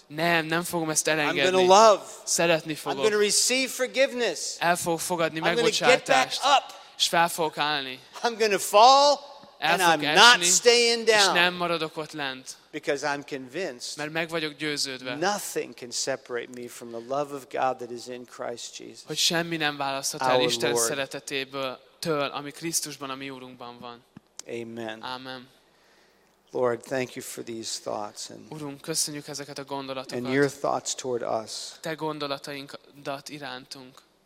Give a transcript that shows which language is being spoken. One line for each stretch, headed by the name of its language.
Hungarian: Nem fogom ezt elengedni.
English: I'm gonna love.
Hungarian: Szeretni fogok.
English: I'm gonna receive forgiveness.
Hungarian: El fogok fogadni megbocsátást.
English: I'm gonna get back up.
Hungarian: És fel fogok állni.
English: I'm gonna fall.
Hungarian: el fog esni, és nem maradok ott lent.
English: Because I'm convinced.
Hungarian: Mert meg vagyok győződve.
English: Nothing can separate me from the love of God that is in Christ Jesus.
Hungarian: Hogy semmi nem választhat el Isten Lord. Szeretetéből, től, ami Krisztusban, ami Úrunkban van. Amen.
English: Amen. Lord, thank you for these thoughts and
Hungarian: Urunk, köszönjük ezeket a gondolatokat.
English: And your thoughts toward us.
Hungarian: Te gondolatainkat irántunk.